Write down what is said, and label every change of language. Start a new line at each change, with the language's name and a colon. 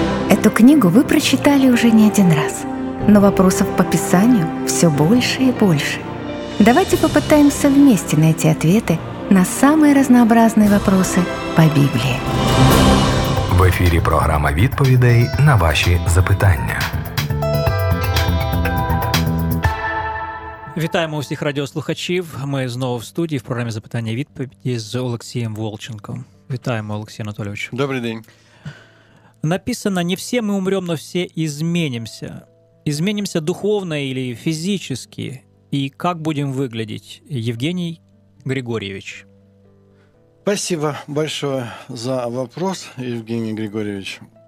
Russian: Эту книгу вы прочитали уже не один раз, но вопросов по Писанию все больше и больше. Давайте попытаемся вместе найти ответы на самые разнообразные вопросы по Библии. В эфире программа «Відповідей» на ваши запитання.
Ukrainian: Вітаємо усіх радіослухачів. Ми знову в студії в програмі «Запитання і відповіді» з Олексієм Волченком. Вітаємо, Олексій Анатолійович. Добрий день.
Russian: Написано: «Не все мы умрем, но все изменимся. Изменимся духовно или физически. И как будем выглядеть?» Евгений Григорьевич. Спасибо большое за вопрос, Евгений Григорьевич.